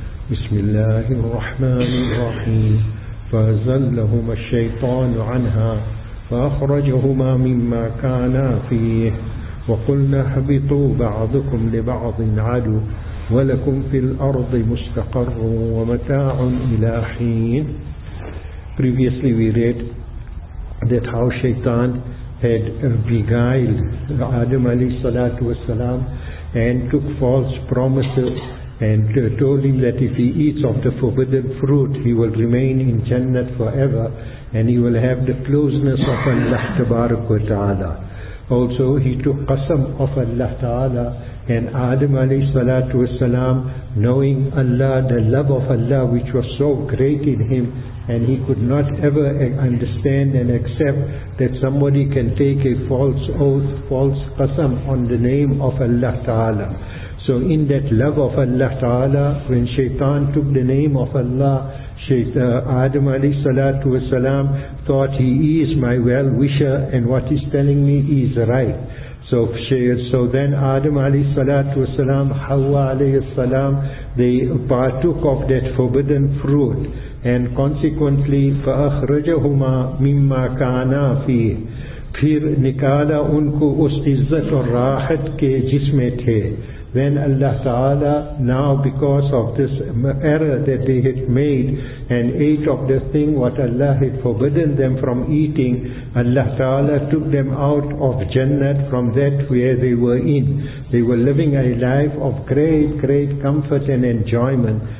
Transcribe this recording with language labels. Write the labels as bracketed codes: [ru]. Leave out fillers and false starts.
[ar] بسم الله الرحمن الرحيم. فزلهما الشيطان عنها فأخرجهما مما كانا فيه وقلنا اهبطوا بعضكم لبعض عدو ولكم في الأرض مستقر ومتاع إلى حين. [en] Previously we read that how Shaitan had beguiled Adam alayhi salatu wa salam and took false promises and told him that if he eats of the forbidden fruit, he will remain in Jannat forever and he will have the closeness of Allah tabarak wa ta'ala. Also, he took qasam of Allah ta'ala, and Adam alayhi salatu wa salam, knowing Allah, the love of Allah which was so great in him, and he could not ever understand and accept that somebody can take a false oath, false qasam on the name of Allah Ta'ala. So in that love of Allah Ta'ala, when Shaitan took the name of Allah, Adam alayhi salatu wa salam thought he is my well-wisher and what he's telling me is right. So then Adam alayhi salatu wa salam, Hawa alayhi salam, they partook of that forbidden fruit. And consequently, [ar] فَأَخْرَجَهُمَا مِمَّا كَانَا فِيهِ [ur] پھر نکالا ان کو اس عزت اور راحت کے جس میں تھے. [en] Then Allah Ta'ala, now because of this error that they had made and ate of the thing what Allah had forbidden them from eating, Allah Ta'ala took them out of Jannat, from that where they were in. They were living a life of great, great comfort and enjoyment.